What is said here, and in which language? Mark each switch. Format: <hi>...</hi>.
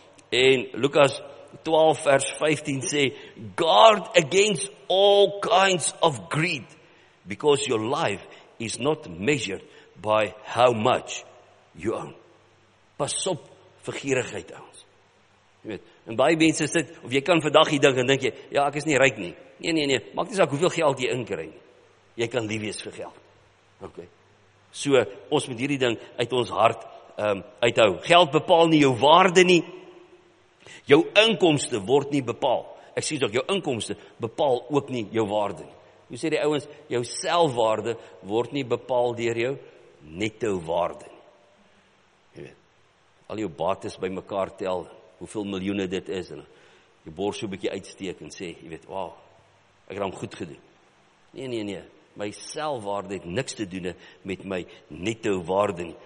<af>En Lukas 12 vers 15 sê,</af> <en>guard against all kinds of greed, because your life is not measured by how much you own.</en> <af>Pas op vir gierigheid, ouens. Jy weet, en baie mense sit, of jy kan vandag hier dink, en dink jy, ja, ek is nie ryk nie. Nee, maak nie saak hoeveel geld jy inkry nie. Jy kan lief wees vir geld. Ok. So, ons moet hierdie ding uit ons hart uithou. Geld bepaal nie jou waarde nie. Jou inkomste word nie bepaal. Ek sê toch, jou inkomste bepaal ook nie jou waarde nie. Hoe sê die ouwens, jou selfwaarde word nie bepaal deur jou netto waarde nie. al jou bates by mekaar tel, hoeveel miljoene dit is, en jou bors so 'n bietjie uitsteek en sê, jy weet, wow, ek het hom goed gedoen. Nee, my selfwaarde het niks te doen met my netto waarde nie.</af>